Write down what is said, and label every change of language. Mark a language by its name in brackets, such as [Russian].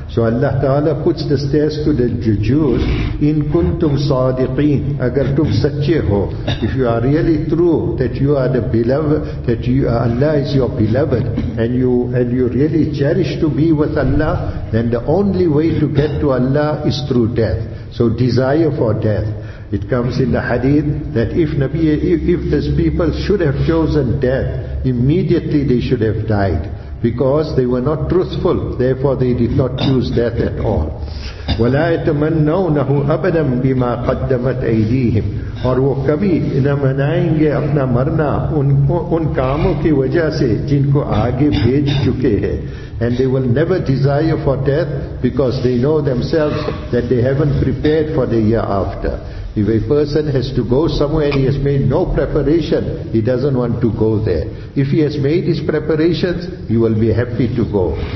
[English] So Allah Ta'ala puts the test to the Jews, [Arabic] in kuntum sadiqeen, [Urdu] agar tum sachye ho, [English] if you are really true that you are the beloved, that you, Allah is your beloved, and you really cherish to be with Allah, then the only way to get to Allah is through death. So desire for death. It comes in the hadith that if these people should have chosen death, immediately they should have died. Because they were not truthful, therefore they did not choose death at all. [Arabic] وَلَا يَتَمَنَّوْنَهُ أَبَدًا بِمَا قَدَّمَتْ أَيْدِيهِمْ [Urdu] اور وہ کبھی نہ منائیں گے اپنا مرنا ان کاموں کی وجہ سے جن کو آگے بھیج چکے ہیں. [English] and they will never desire for death because they know themselves that they haven't prepared for the hereafter. If a person has to go somewhere and he has made no preparation, he doesn't want to go there. If he has made his preparations, he will be happy to go.